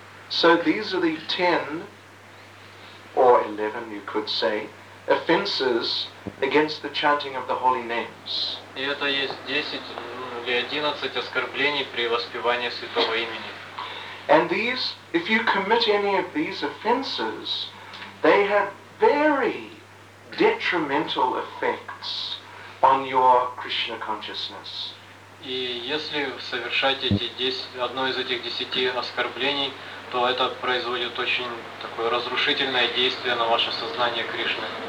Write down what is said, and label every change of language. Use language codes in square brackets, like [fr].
[en] So these are the 10, or 11 you could say, offenses against the chanting of the holy names. [ru] И это есть 10 или 11 оскорблений при воспевании святого имени. [en] And these, if you commit any of these offenses, they have very detrimental effects on your Krishna consciousness. [ru] И если совершать эти 10, одно из этих 10 оскорблений, то это производит очень такое разрушительное действие на ваше сознание Кришны.